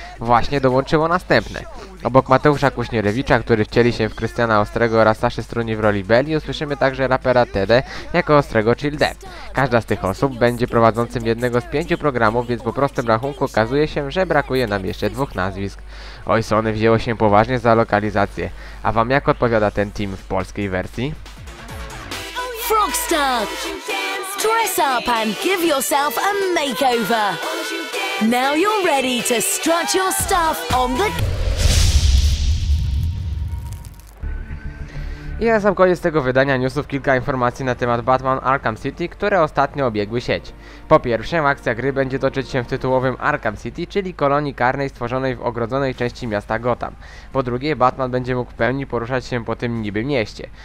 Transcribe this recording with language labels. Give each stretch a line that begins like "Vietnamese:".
Polish: Właśnie dołączyło następne. Obok Mateusza Kuśnierewicza, który wcieli się w Krystiana Ostrego oraz Saszy Struni w roli Belli, usłyszymy także rapera Tede jako Ostrego Chill D. Każda z tych osób będzie prowadzącym jednego z 5 programów, więc po prostym rachunku okazuje się, że brakuje nam jeszcze 2 nazwisk. Oj, Sony wzięło się poważnie za lokalizację. A wam jak odpowiada ten team w polskiej wersji?
English: Frogstar, dress up and give yourself a makeover. Now you're ready to strut your stuff on the...
Polish: I na sam koniec tego wydania newsów kilka informacji na temat Batman Arkham City, które ostatnio obiegły sieć. Po pierwsze, akcja gry będzie toczyć się w tytułowym Arkham City, czyli kolonii karnej stworzonej w ogrodzonej części miasta Gotham. Po drugie, Batman będzie mógł w pełni poruszać się po tym niby mieście.